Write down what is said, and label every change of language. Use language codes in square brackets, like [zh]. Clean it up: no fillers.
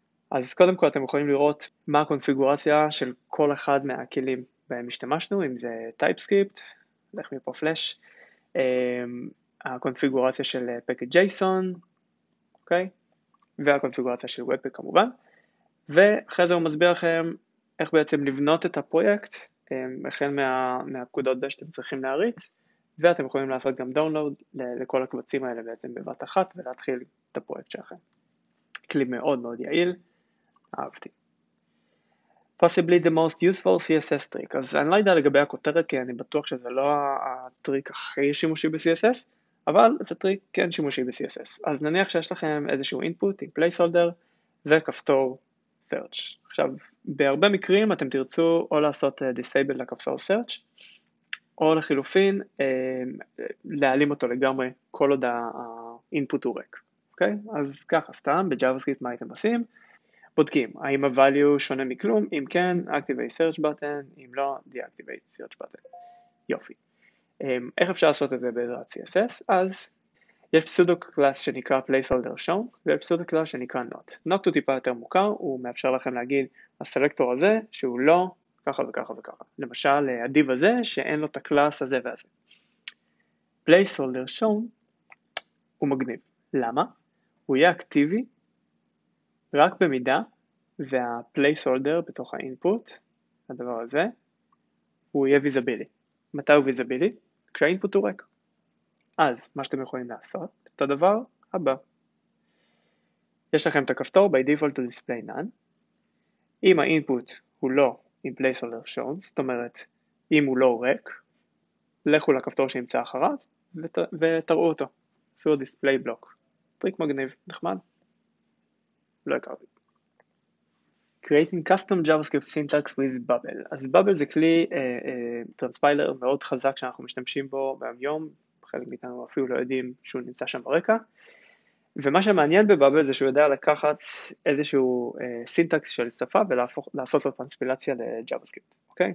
[he] אז קודם כל אתם יכולים לראות מה הקונפיגורציה של כל אחד מהכלים בהם השתמשנו, אם זה TypeScript, הולך מפה פלאש, הקונפיגורציה של פקט ג'ייסון, אוקיי? והקונפיגורציה של וויבפק כמובן, ואחרי זה הוא מסביר לכם איך בעצם לבנות את הפרויקט, החל מהפקודות דשת שאתם צריכים להריץ, ואתם יכולים לעשות גם דאונלוד לכל הקבצים האלה בעצם בבת אחת, ולהתחיל את הפרויקט שלכם. כלי מאוד מאוד יעיל, אהבתי. [en] Possibly the most useful CSS trick. [he] אז אני לא יודע לגבי הכותרת, כי אני בטוח שזה לא הטריק הכי שימושי ב-CSS, אבל זה טריק כן שימושי ב-CSS. אז נניח שיש לכם איזשהו input עם placeholder וכפתור search. עכשיו, בהרבה מקרים אתם תרצו או לעשות disable לכפתור search, או לחילופין, להעלים אותו לגמרי כל עוד ה-input הוא ריק. אוקיי? אז ככה, סתם, ב-JavaScript מה אתם עושים? בודקים, האם ה-value שונה מכלום? אם כן, [en] activate search button, [he] אם לא, [en] deactivate search button. [he] יופי. איך אפשר לעשות את זה בעזרת CSS? אז יש פסודו קלאס שנקרא placeholder shown, ויש פסודו קלאס שנקרא not. Not הוא טיפה יותר מוכר, הוא מאפשר לכם להגיד, הסלקטור הזה, שהוא לא ככה וככה וככה. למשל, הדיב הזה, שאין לו את הקלאס הזה והזה. Placeholder shown הוא מגניב. למה? הוא יהיה אקטיבי, רק במידה, וה-placeholder בתוך ה-input, הדבר הזה, הוא יהיה ויזבילי. מתי הוא ויזבילי? כשה-input הוא ריק. אז, מה שאתם יכולים לעשות, את הדבר הבא. יש לכם את הכפתור, [en] by default to display none. [he] אם ה-input הוא לא עם placeholder shown, זאת אומרת, אם הוא לא ריק, לכו לכפתור שימצא אחריו, ותראו אותו. עשו ה-display block. טריק מגניב, נחמד. לא הכרתי. [en] Creating custom JavaScript syntax with Babel. [he] אז Babel זה כלי טרנספיילר מאוד חזק שאנחנו משתמשים בו ביום-יום, חלק מאיתנו אפילו לא יודעים שהוא נמצא שם ברקע, ומה שמעניין בבאבל זה שהוא יודע לקחת איזשהו סינטקס של שפה ולעשות לו טרנספילציה ל-JavaScript. אוקיי?